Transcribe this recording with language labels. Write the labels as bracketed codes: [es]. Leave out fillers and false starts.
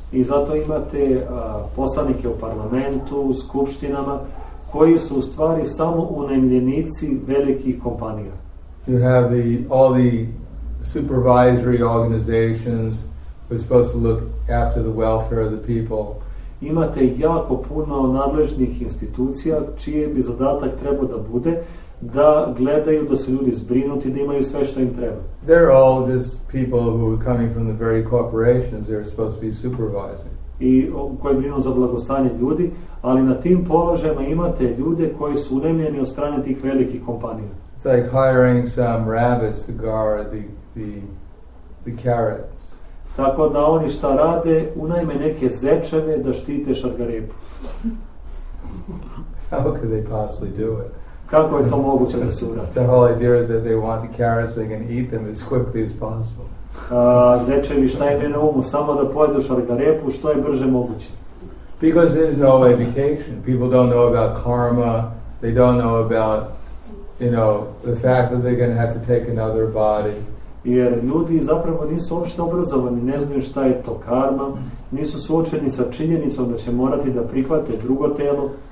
[sr] I zato imate poslanike u parlamentu, u skupštinama, koji su u stvari samo unajmljenici velikih kompanija. [en] You have all the supervisory organizations who are supposed to look after the welfare of the people. [sr] Imate jako puno nadležnih institucija čije bi zadatak trebao da bude da gledaju da su ljudi zbrinuti, da imaju sve što im treba. [en] They're all just people who are coming from the very corporations they're supposed to be supervising. [sr] I koji brinu za blagostanje ljudi, ali na tim položajima imate ljude koji su unajmljeni od strane tih velikih kompanija. [en] It's like hiring some rabbits to guard the carrot. [sr] Tako da oni šta rade, unajme neke zečeve da štite šargarepu. [en] How could they possibly do it? [sr] Kako je to moguće da se uradi? [en] The whole idea is that they want the carrots so they can eat them as quickly as possible. [sr] Zečevi šta je na umu, samo da pojedu šargarepu što je brže moguće. [en] Because there is no education. People don't know about karma. They don't know about, you know, the fact that they're going to have to take another body. [sr] Jer ljudi zapravo nisu uopšte obrazovani, ne znaju šta je to karma, nisu suočeni sa činjenicom da će morati da prihvate drugo telo.